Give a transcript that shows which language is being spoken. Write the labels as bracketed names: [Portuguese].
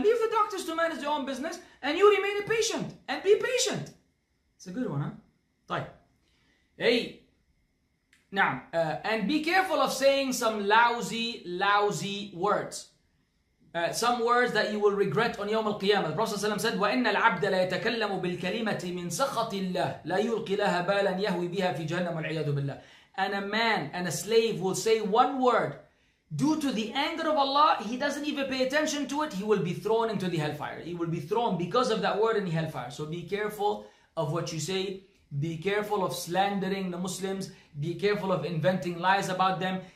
[English] Leave the doctors to manage their own business and you remain a patient and be patient. It's a good one, huh? طيب. Hey. Now, and be careful of saying some lousy words. Some words that you will regret on Yawm al-Qiyamah. The Prophet ﷺ said, [Arabic] وَإِنَّ الْعَبْدَ لَيَتَكَلَّمُ بِالْكَلِمَةِ مِنْ سَخَطِ اللَّهِ لَا يُلْقِ لَهَا بَالًا يَهْوِ بِهَا فِي جَهَنَّمُ الْعِيَادُ بِاللَّهِ. [English] And a man and a slave will say one word due to the anger of Allah, he doesn't even pay attention to it, he will be thrown into the hellfire. He will be thrown because of that word in the hellfire. So be careful of what you say Be careful of slandering the Muslims. Be careful of inventing lies about them.